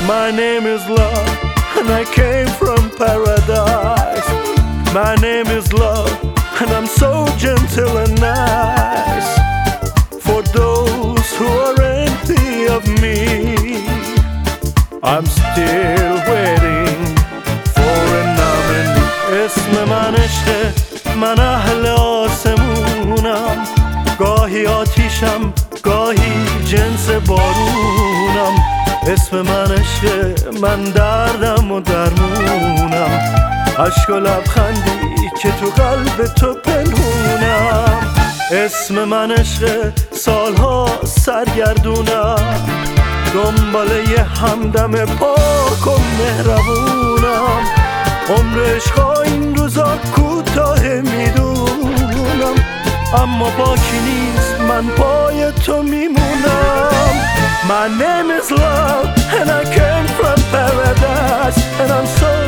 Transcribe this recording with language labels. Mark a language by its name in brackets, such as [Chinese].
[English] My name is love, and I came from paradise. My name is love, and I'm so gentle and nice. For those who are empty of me, I'm still waiting for a nominee. [Persian] اسمم من اشته، من اهل آسمونم. گاهی آتیشم، گاهی جنس بارونم. اسم من اشته، من دردم و درمونم. عشق و لبخندی که تو قلب تو پنهونم. اسم من عشق، سالها سرگردونم. دنباله یه همدم پاک و مهربونم. عمر عشقا این روزا کوتاه میدونم، اما باکی نیست، من پای تو میمونم. [English] My name is love and I came from paradise and I'm so